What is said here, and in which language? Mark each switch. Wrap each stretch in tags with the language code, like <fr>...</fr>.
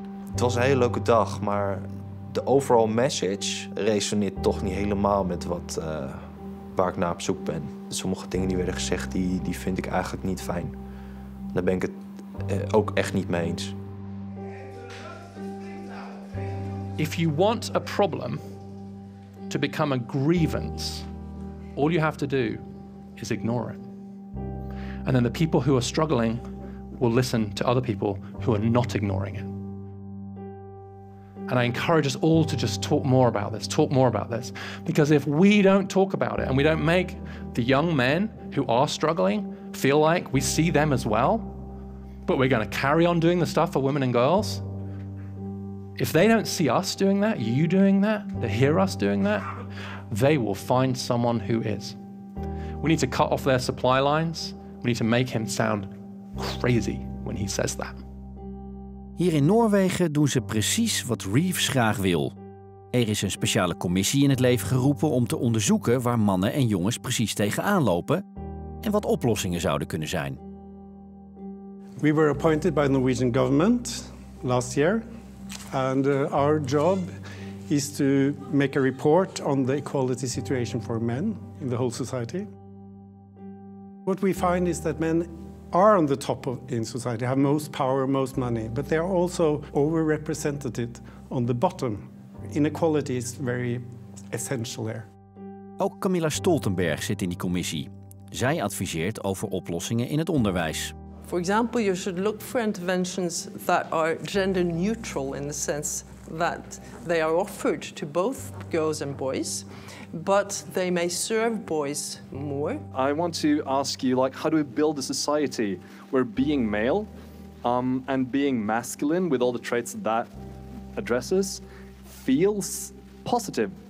<nl>Het was een hele leuke dag, maar de</nl> <en>overall message</en> <nl>resoneert toch niet helemaal met wat waar ik naar op zoek ben. Sommige dingen die werden gezegd, die vind ik eigenlijk niet fijn. Daar ben ik het ook echt niet mee eens.</nl> <en>If you want a problem to become a grievance, all you have to do is ignore it. And then the people who are struggling will listen to other people who are not ignoring it. And I encourage us all to just talk more about this, talk more about this. Because if we don't talk about it and we don't make the young men who are struggling feel like we see them as well, but we're going to carry on doing the stuff for women and girls, if they don't see us doing that, you doing that, they hear us doing that, they will find someone who is. We need to cut off their supply lines. We need to make him sound crazy when he says that.</en> <nl>Hier in Noorwegen doen ze precies wat Reeves graag wil. Er is een speciale commissie in het leven geroepen om te onderzoeken waar mannen en jongens precies tegenaan lopen en wat oplossingen zouden kunnen zijn.</nl> <en>We were appointed by the Norwegian government last year. And our job is to make a report on the equality situation for men in the whole society. What we find is that men are on the top of in society, have most power, most money, but they are also overrepresented on the bottom. Inequality is very essential there.</en> <nl>Ook Camilla Stoltenberg zit in die commissie. Zij adviseert over oplossingen in het onderwijs.</nl> <en>For example, you should look for interventions that are gender neutral in the sense that they are offered to both girls and boys. But they may serve boys more. I want to ask you, like, how do we build a society where being male and being masculine, with all the traits that addresses, feels positive?</en>